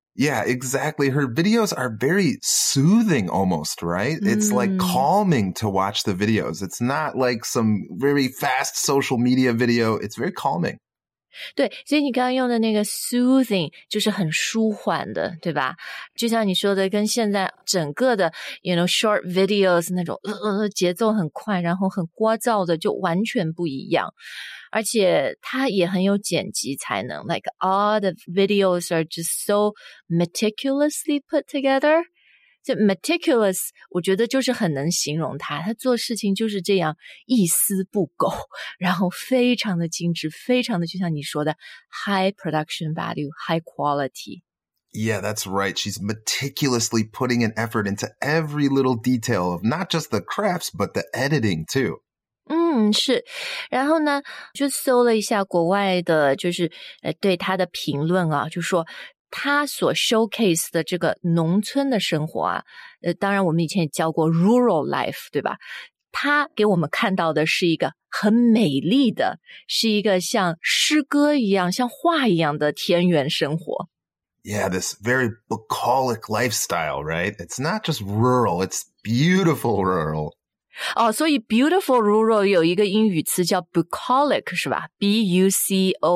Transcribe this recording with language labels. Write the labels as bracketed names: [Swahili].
[English] Yeah, exactly. Her videos are very soothing almost, right? It's like calming to watch the videos. It's not like some very fast social media video. It's very calming. [Chinese] 对，所以你刚刚用的那个 soothing 就是很舒缓的，对吧？就像你说的，跟现在整个的 [English] you know, short videos [Chinese] 那种节奏很快，然后很聒噪的就完全不一样。而且他也很有剪辑才能 [English] ，like all the videos are just so meticulously put together. So meticulous, [Chinese] 我觉得就是很能形容他。他做事情就是这样一丝不苟，然后非常的精致，非常的就像你说的 [English] high production value, high quality. Yeah, that's right. She's meticulously putting an effort into every little detail of not just the crafts but the editing too. [Chinese] 嗯，是，然后呢就搜了一下国外的就是对他的评论啊，就说他所 showcase 的这个农村的生活啊，当然我们以前也教过 rural life, 对吧，他给我们看到的是一个很美丽的，是一个像诗歌一样像画一样的田园生活。 [English] Yeah, this very bucolic lifestyle, right? It's not just rural, it's beautiful rural. [Chinese] 哦，所以 beautiful rural 有一个英语词叫 bucolic, 是吧 ?B-U-C-O-L-I-C.